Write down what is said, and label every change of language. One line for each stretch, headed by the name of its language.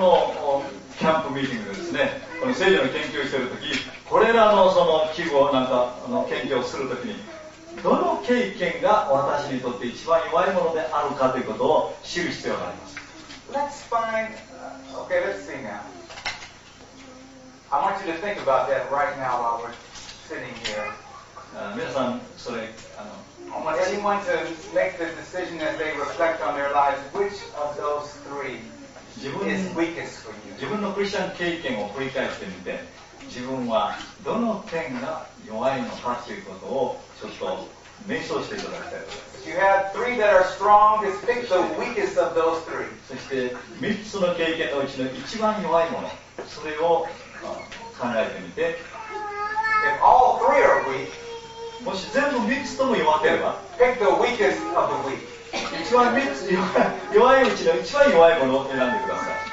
Japanese: このキャンプミーティングですね。この聖書の研究をしているとき、これらのその器具をなんか研究をするときに。どの経験が私にとって一番弱いものであるかということを知る必要があります。
English: Let's find, okay, let's see now. I want you to think about that right now while we're sitting here.
Japanese: 皆さん、それ、
English: I want anyone to make the decision as they reflect on their lives, which of those three is weakest for you?
Japanese: 自分のクリスチャン経験を振り返ってみて、自分はどの点が弱いのかということをちょっと瞑想していただきたいと思います。
English: You have three that are strong, it's pick the weakest of those three.
Japanese: そして3つの経験のうちの一番弱いもの、それを考えてみて。
English: If all three are weak,
Japanese: もし全部3つとも弱ければ、
English: pick the weakest of the weak.
Japanese: 一番3つ弱いうちの一番弱いものを選んでください。